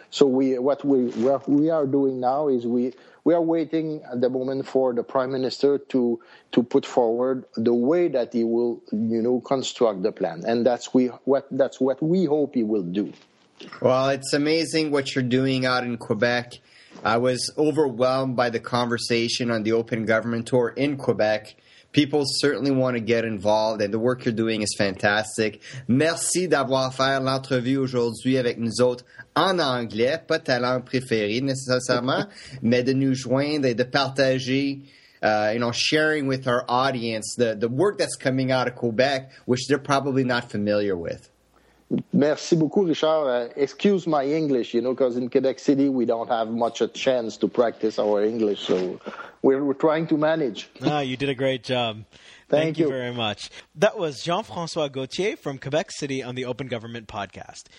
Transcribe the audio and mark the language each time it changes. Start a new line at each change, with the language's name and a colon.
English: So what we are doing now is we are waiting at the moment for the Prime Minister to put forward the way that he will construct the plan, and that's what we hope he will do. Well, it's amazing what you're doing out in Quebec. I was overwhelmed by the conversation on the Open Government Tour in Quebec. People certainly want to get involved, and the work you're doing is fantastic.
French: Merci d'avoir fait l'entrevue aujourd'hui avec nous autres en anglais, pas ta langue préférée nécessairement, mais de nous joindre et de partager,
English: sharing with our audience the work that's coming out of Quebec, which they're probably not familiar with.
French: Merci beaucoup, Richard.
English: Excuse my English, because in Quebec City we don't have much a chance to practice our English, so we're trying to manage. Oh, you did a great job. Thank you very much. That was Jean-Francois Gauthier from Quebec City on the Open Government Podcast.